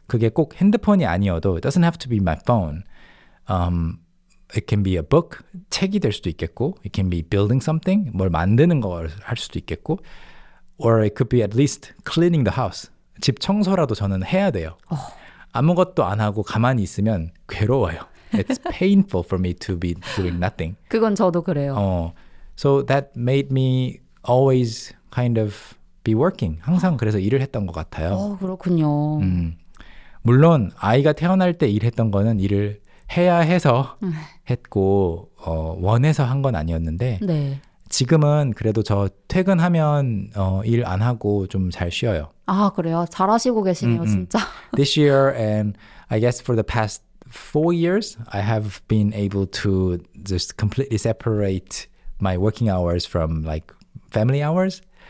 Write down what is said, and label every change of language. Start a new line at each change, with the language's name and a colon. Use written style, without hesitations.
Korean: 그게 꼭 핸드폰이 아니어도
English: it doesn't have to be my phone. It can be a book,
Korean: 책이 될 수도 있겠고
English: it can be building something,
Korean: 뭘 만드는 걸 할 수도 있겠고
English: or it could be at least cleaning the house.
Korean: 집 청소라도 저는 해야 돼요. 아무것도 안 하고 가만히 있으면 괴로워요.
English: It's painful for me to be doing nothing.
Korean: 그건 저도 그래요.
English: So that made me always kind of be working.
Korean: 항상 그래서 일을 했던 것 같아요. 그렇군요. 물론 아이가 태어날 때 일했던 거는 일을 해야 해서 했고 원해서 한 건 아니었는데 네. 지금은 그래도 저 퇴근하면 일 안 하고 좀 잘 쉬어요. 아 그래요? 잘하시고 계시네요, 진짜.
English: This year and I guess for the past 4 years, I have been able to just completely separate my working hours from like family hours.